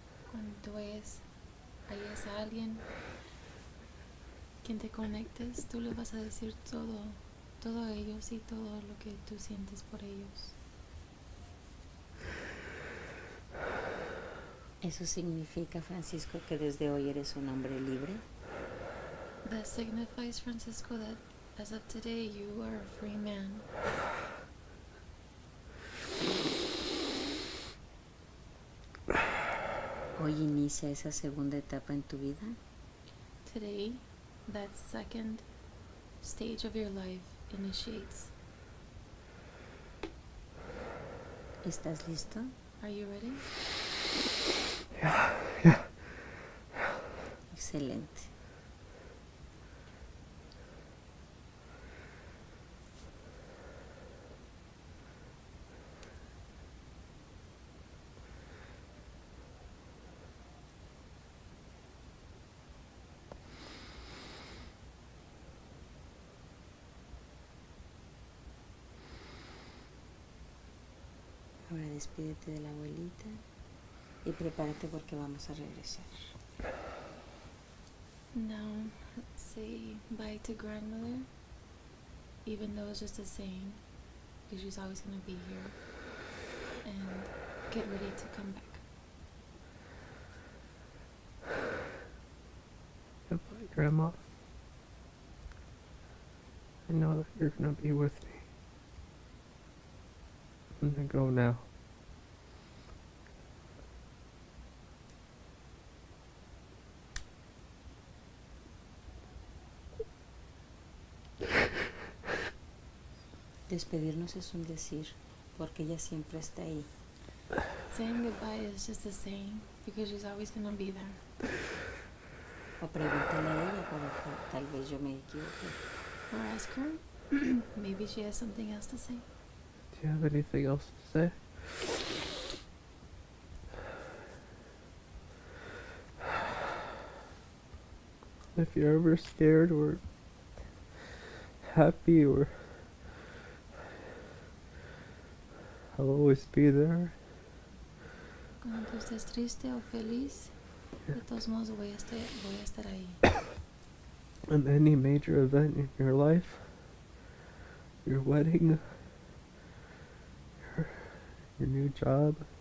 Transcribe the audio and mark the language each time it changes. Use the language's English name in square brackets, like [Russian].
[Spanish] Cuando tú ves, ahí es alguien quien te conectes, tú le vas a decir todo, todo a ellos y todo lo que tú sientes por ellos. ¿Eso significa, Francisco, que desde hoy eres un hombre libre? [English] That signifies, Francisco, that as of today you are a free man. [Spanish] Hoy inicia esa segunda etapa en tu vida. [English] Today, that second stage of your life initiates. [Spanish] ¿Estás listo? [English] Are you ready? Yeah. [Spanish] Excelente. Ahora despídete de la abuelita y prepárate porque vamos a regresar. [English] Now, say bye to grandmother, even though it's just a saying, because she's always going to be here, and get ready to come back. Goodbye, Grandma. I know that you're going to be with me. I'm going to go now. [Spanish] Despedirnos es un decir, porque ella siempre está ahí. [English] Saying goodbye is just a saying, because she's always going to be there. [Spanish] O pregúntale a ella, porque tal vez yo me equivoque. [English] Or ask her, maybe she has something else to say. Do you have anything else to say? If you're ever scared or happy, or I'll always be there. [Spanish] Cuando tú estés triste o feliz, de todos modos voy a estar ahí. [English] In any major event in your life, your wedding, your new job,